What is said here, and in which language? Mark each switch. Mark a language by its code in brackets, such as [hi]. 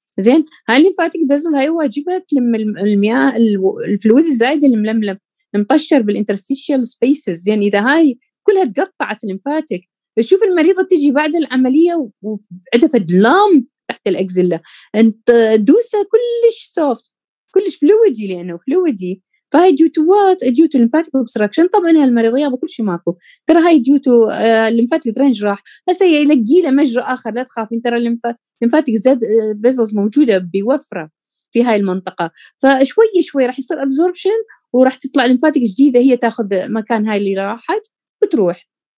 [ar] زين، هاي الليمفاتيك فيزل هاي واجبها تلم المياه الفلويد الزايد الململم المطشر بالانترستيشال سبيسز. زين، اذا هاي كلها تقطعت الليمفاتيك، تشوف المريضه تيجي بعد العمليه وعندها فد لام تحت الأكزيلا، أنت دوسة كلش soft، كلش fluidy، لأنه fluidy. [en] فهي due to what؟ due to lymphatic obstruction. [ar] طبعاً هي المريضة يابا كل شيء ماكو، ترى هاي [en] due to lymphatic drainage [ar] راح، هسه يلقي له مجرى آخر، لا تخاف، ترى [en] lymphatic vessels [ar] موجودة بوفرة في هاي المنطقة، فشوي شوي راح يصير absorption وراح تطلع lymphatic جديدة، هي تأخذ مكان هاي اللي راحت وتروح.